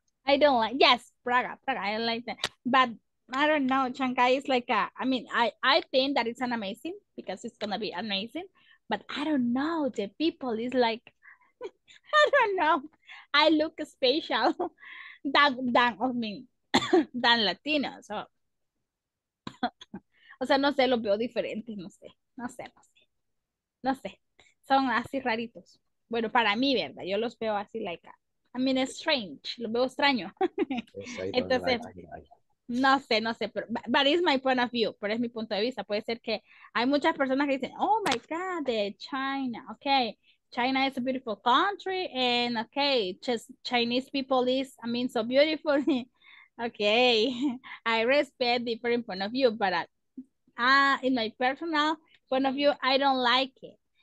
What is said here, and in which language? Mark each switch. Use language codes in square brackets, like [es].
[en] I don't like, yes, Praga, I like that. But I don't know, Shanghai is like I think that it's an amazing, because it's going to be amazing. But I don't know, the people is like, I don't know. I look special than of me, than Latina. So. [es] O sea, no sé, los veo diferentes, no sé. Son así raritos. Bueno, para mí, ¿verdad? Yo los veo así, [en] like, I mean, it's strange. [es] Los veo extraño. Entonces, no sé. [en] But it's my point of view. [es] Pero es mi punto de vista. Puede ser que hay muchas personas que dicen, [en] oh, my God, [es] de China. [en] Okay, China is a beautiful country. And, okay, just Chinese people is, I mean, so beautiful. Okay, I respect different point of view. But in my personal point of view, I don't like it.